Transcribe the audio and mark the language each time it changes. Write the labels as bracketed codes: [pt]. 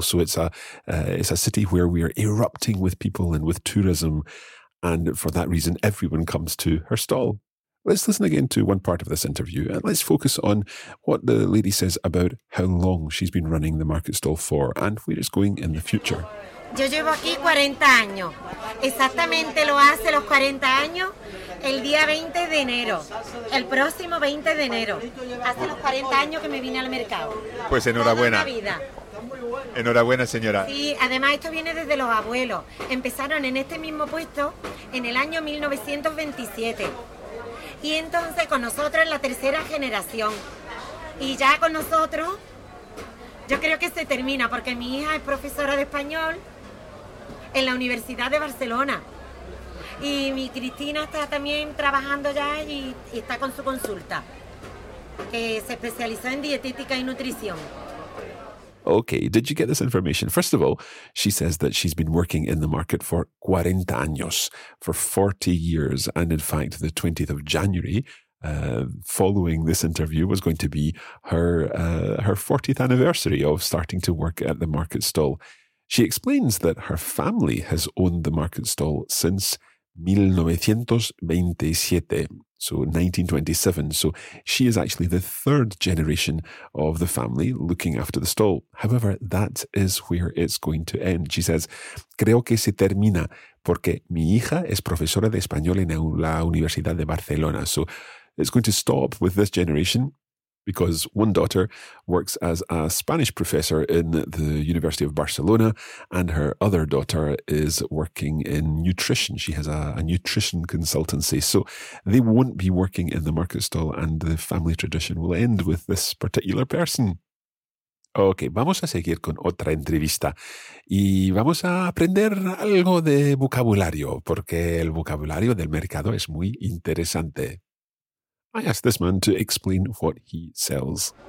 [en] So it's a city where we are erupting with people and with tourism. And for that reason, everyone comes to her stall. Let's listen again to one part of this interview and let's focus on what the lady says about how long she's been running the market stall for and where it's going in the future. [es] Yo llevo aquí 40 años. Exactamente lo hace los 40 años el día 20 de enero. El próximo 20 de enero. Hace los 40 años que me vine al mercado. Pues enhorabuena. Enhorabuena, señora. Sí, además esto viene desde los abuelos. Empezaron en este mismo puesto en el año 1927. Y entonces con nosotros en la tercera generación. Y ya con nosotros, yo creo que se termina, porque mi hija es profesora de español en la Universidad de Barcelona. Y mi Cristina está también trabajando ya y está con su consulta, que se especializó en dietética y nutrición. [en] Okay, did you get this information? First of all, she says that she's been working in the market for [es] 40 años, [en] for 40 years. And in fact, the 20th of January, following this interview, was going to be her 40th anniversary of starting to work at the market stall. She explains that her family has owned the market stall since 1927. So 1927. So she is actually the third generation of the family looking after the stall. However, that is where it's going to end. She says, [es] creo que se termina porque mi hija es profesora de español en la Universidad de Barcelona. [en] So it's going to stop with this generation because one daughter works as a Spanish professor in the University of Barcelona and her other daughter is working in nutrition. She has a nutrition consultancy. So they won't be working in the market stall and the family tradition will end with this particular person. [es] Okay, vamos a seguir con otra entrevista y vamos a aprender algo de vocabulario porque el vocabulario del mercado es muy interesante. [en] I asked this man to explain what he sells.